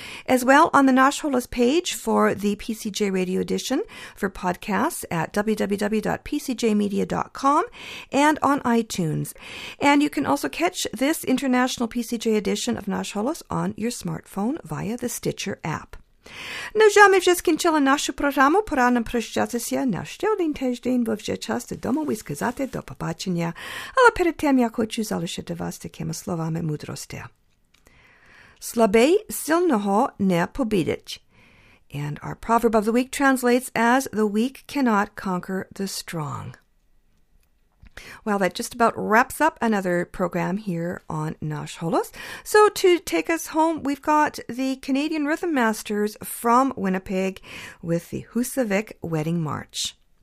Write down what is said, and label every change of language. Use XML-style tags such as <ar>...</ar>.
<en>As well, on the Nasholos page for the PCJ Radio Edition for podcasts at www.pcjmedia.com and on iTunes. And you can also catch this international PCJ edition of Nasholos on your smartphone via the Stitcher app.</en> <uk>Ну же, ми вже скінчили нашу програму. Пора нам прощатися на ще один тиждень, бо вже час додому і сказати до побачення. Але перед тим я хочу залишити вас такими словами мудрості. Слабей сильного не побідить.</uk> <en>And our proverb of the week translates as, the weak cannot conquer the strong. Well, that just about wraps up another program here on Nasholos. So to take us home, we've got the Canadian Rhythm Masters from Winnipeg with the Husavik Wedding March.</en>